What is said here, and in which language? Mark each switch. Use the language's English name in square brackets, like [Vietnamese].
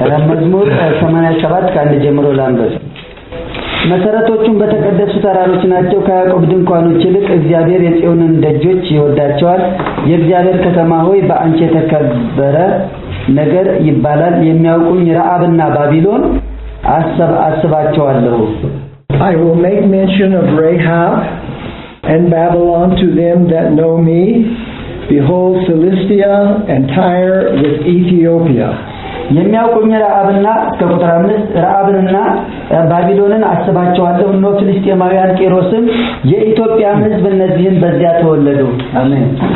[Amharic] መዝሙር 87 ካንዴ ጀምሮ ላንብብ። መሰረቶቹን በተቀደሱ ተራሮች ናቸው ከያዕቆብ ድንኳኖች ይልቅ እግዚአብሔር የጽዮንን ደጆች ይወዳቸዋል። የእግዚአብሔር ከተማ ሆይ በአንቺ የተከበረ ነገር ይባላል። የሚያውቁኝ ረአብና ባቢሎን አስባቸዋለሁ። [English] I will make mention of Rahab and Babylon to them that know me. Behold Philistia and Tyre with Ethiopia. [Amharic] የሚያውቁኝ ረአብና ከቁጥር 5 ረአብና ባቢሎንን አስባቸዋለሁ። ኖ ፍልስጤማውያን ቄሮስን የኢትዮጵያ ሕዝብ እነዚህን በዚያ ተወለዱ። አሜን።